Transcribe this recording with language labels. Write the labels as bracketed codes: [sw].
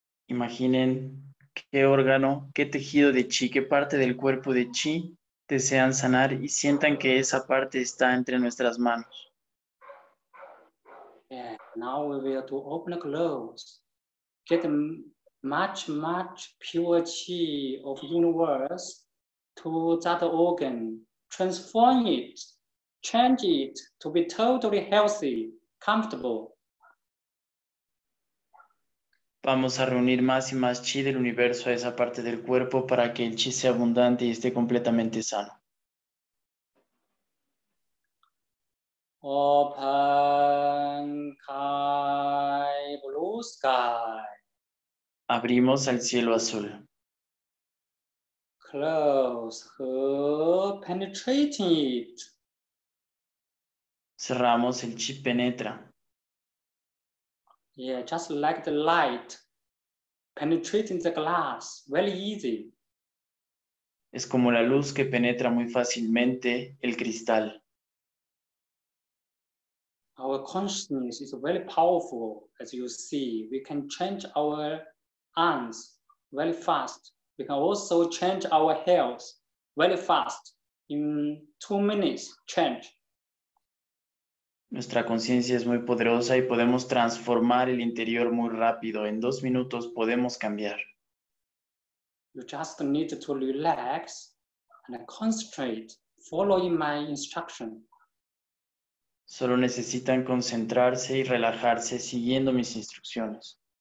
[es] Imaginen qué órgano, qué tejido de chi, qué parte del cuerpo de chi desean sanar y sientan que esa parte está entre nuestras manos. [en] Yeah, now we will to open and close. Get much, much pure chi of universe to that organ. Transform it, change it to be totally healthy, comfortable. [es] Vamos a reunir más y más chi del universo a esa parte del cuerpo para que el chi sea abundante y esté completamente sano. [en] Open. sky, blue sky. [es] Abrimos el cielo azul. [en] Close, penetrating it. [es] Cerramos, el chip penetra. [en] Yeah, just like the light penetrating the glass, very easy. [es] Es como la luz que penetra muy fácilmente el cristal. [en] Our consciousness is very powerful, as you see. We can change our hands very fast. We can also change our health very fast. In 2 minutes, change. [es] Nuestra conciencia es muy poderosa y podemos transformar el interior muy rápido. En 2 minutos podemos cambiar. [en] You just need to relax and concentrate, following my instruction. [es] Solo necesitan concentrarse y relajarse siguiendo mis instrucciones.